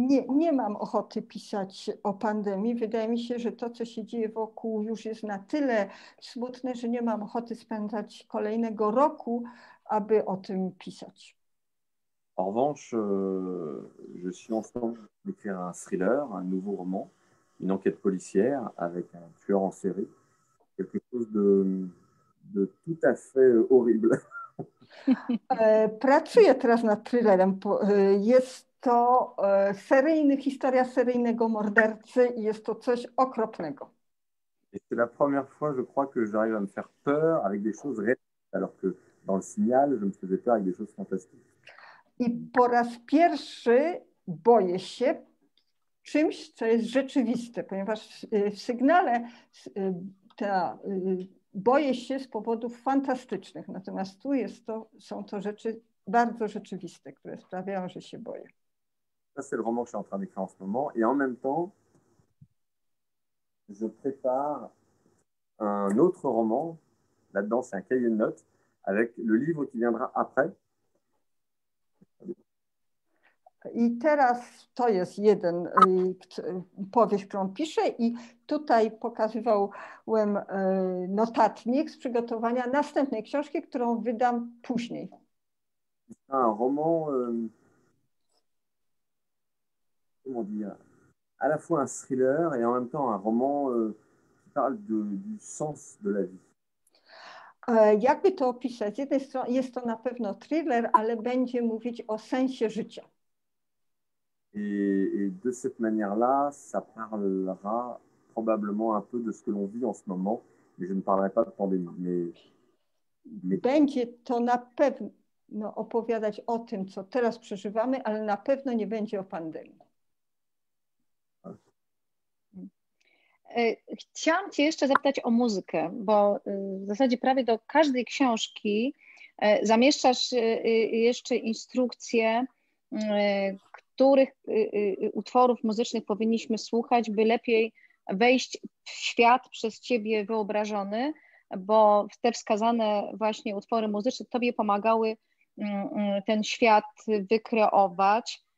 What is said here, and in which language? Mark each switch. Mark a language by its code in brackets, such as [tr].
[pl] Nie mam ochoty pisać o pandemii. Wydaje mi się, że to, co się dzieje wokół, już jest na tyle smutne, że nie mam ochoty spędzać kolejnego roku, aby o tym pisać. [fr] En revanche, je suis en train d'écrire un thriller, un nouveau roman, une enquête policière avec un tueur en série, quelque chose de tout à fait horrible. [pl] Pracuję teraz nad thrillerem. Jest to historia seryjnego mordercy i jest to coś okropnego. [fr] La première fois, je crois, que j'arrive à me faire peur avec des choses réelles, alors que dans le Signal, je me faisais peur avec des choses fantastiques. [pl] I po raz pierwszy boję się czymś, co jest rzeczywiste, ponieważ w sygnale ta boję się z powodów fantastycznych. Natomiast tu jest to, są to rzeczy bardzo rzeczywiste, które sprawiają, że się boję. [fr] Ça, c'est le roman que je suis en train d'écrire en ce moment. Et en même temps, je prépare un autre roman. Là-dedans, c'est un cahier de notes avec le livre qui viendra après. [pl] I teraz to jest jeden powieść, którą piszę i tutaj pokazywałem notatnik z przygotowania następnej książki, którą wydam później. [fr] Un roman... Comment dire, à la fois un thriller et en même temps un roman qui parle de, du sens de la vie. [pl] Jakby to opisać? Z jednej strony jest to na pewno thriller, ale będzie mówić o sensie życia. [fr] Et de cette manière-là, ça parlera probablement un peu de ce que l'on vit en ce moment, mais je ne parlerai pas de pandémie. Mais... [pl] Będzie to na pewno opowiadać o tym, co teraz przeżywamy, ale na pewno nie będzie o pandemii. Chciałam Cię jeszcze zapytać o muzykę, bo w zasadzie prawie do każdej książki zamieszczasz jeszcze instrukcje, których utworów muzycznych powinniśmy słuchać, by lepiej wejść w świat przez Ciebie wyobrażony, bo te wskazane właśnie utwory muzyczne Tobie pomagały ten świat wykreować.